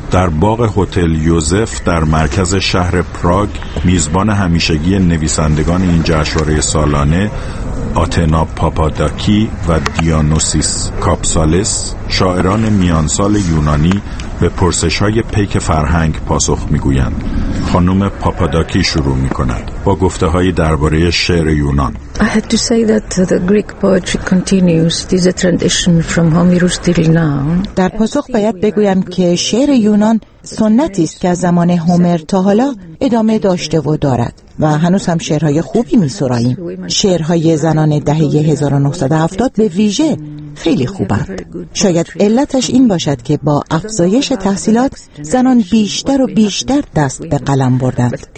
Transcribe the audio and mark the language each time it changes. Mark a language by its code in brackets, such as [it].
[fa] در باغ هتل یوزف در مرکز شهر پراگ میزبان همیشگی نویسندگان این جشنواره سالانه آتنا پاپاداکی و دیانوسیس کاپسالس شاعران میانسال یونانی به پرسش های پیک فرهنگ پاسخ میگویند. خانم پاپاداکی شروع میکند با گفته های درباره شعر یونان. [en] I had to say that the Greek poetry continues. This is a tradition from Homerus till now. [fa] در پاسخ باید بگویم که شعر یونان سنتی است که از زمان هومر تا حالا ادامه داشته و دارد و هنوز هم شعرهای خوبی می سراییم. شعرهای زنان دهه 1970 به ویژه خیلی خوبند. شاید علتش این باشد که با افزایش تحصیلات زنان بیشتر و بیشتر دست به قلم بردند.